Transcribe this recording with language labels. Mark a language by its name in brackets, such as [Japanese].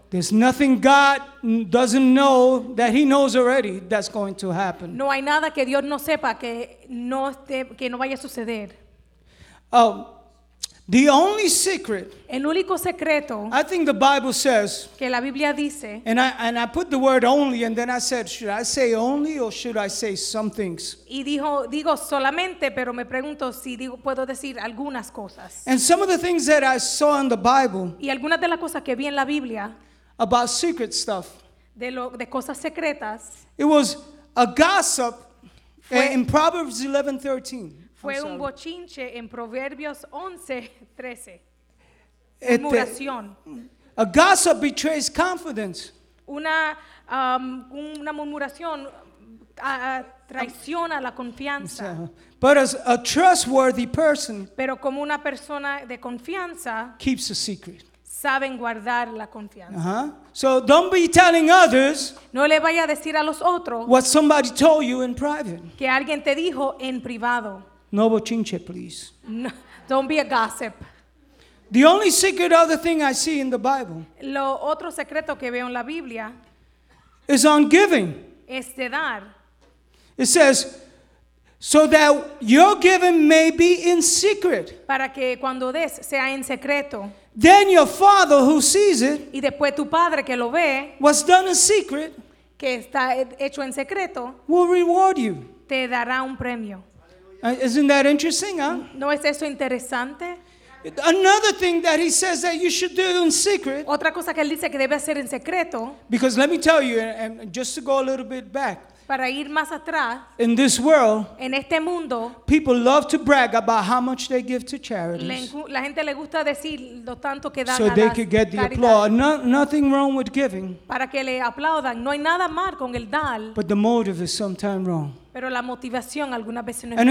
[English] There's nothing God doesn't know that he knows already that's going to happen. [Spanish] No hay nada que Dios no sepa que no esté, que no vaya a suceder. [English] The only secret, [Spanish] el único secreto, [English] I think the Bible says, [Spanish] que la Biblia dice, [English] and I put the word only, and then I said, should I say only or should I say some things? [Spanish] Y dijo, digo solamente, pero me pregunto si digo, puedo decir algunas cosas. [English] And some of the things that I saw in the Bible, [Spanish] y algunas de las cosas que vi en la Biblia, [English] about secret stuff, [Spanish] de cosas secretas, [English] it was a gossip in Proverbs 11:13. [Spanish] Fue un bochinche en Proverbios 11:13. Murmuración. [English] A gossip betrays confidence. [Spanish] Una murmuración traiciona la confianza. [English] But as a trustworthy person, [Spanish] pero como una persona de confianza, [English] keeps a secret. [Spanish] Saben guardar la confianza. [English] Uh-huh. So don't be telling others, [Spanish] no le vaya a decir a los otros, [English] what somebody told you in private. [Spanish] Que alguien te dijo en privado. [English] No bochinche, please. No, don't be a gossip. The only secret other thing I see in the Bible, [Spanish] lo otro secreto que veo en la Biblia, [English] is on giving. [Spanish] Es de dar. [English] It says, so that your giving may be in secret. [Spanish] Para que cuando des sea en secreto. [English] Then your father who sees it, [Spanish] y después tu padre que lo ve, [English] what's done in secret, [Spanish] que está hecho en secreto, [English] will reward you. [Spanish] Te dará un premio. [English] Isn't that interesting, huh? [Spanish] ¿No es eso interesante? [English] Another thing that he says that you should do in secret. [Spanish] Otra cosa que él dice que debe hacer en secreto. [English] Because let me tell you, and just to go a little bit back. [Spanish] Para ir más atrás. [English] In this world. [Spanish] En este mundo. [English] People love to brag about how much they give to charities. [Spanish] La gente le gusta decir lo tanto que dan a las [English] charidades. So they could get the applause. No, nothing wrong with giving. [Spanish] Para que le aplaudan. No hay nada mal con el dar. [English] But the motive is sometimes wrong. [Spanish] Pero la motivación algunas veces no es buena.